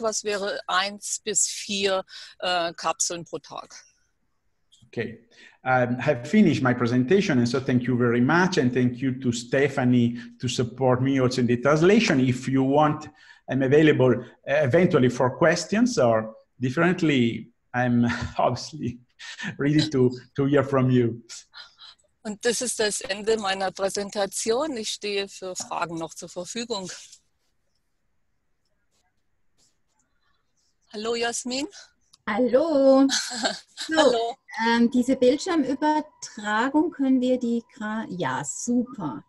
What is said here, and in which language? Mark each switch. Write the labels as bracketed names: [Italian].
[German] Was wäre 1 bis 4 Kapseln pro Tag? [English] Okay, I have finished my presentation, and so thank you very much, and thank you to Stephanie to support me also in the translation. If you want, I'm available eventually for questions, or differently, I'm obviously ready to hear from you. [German] Und das ist das Ende meiner Präsentation. Ich stehe für Fragen noch zur Verfügung. Hallo, Jasmin. Hallo. So, hallo. Diese Bildschirmübertragung können wir die ja, super.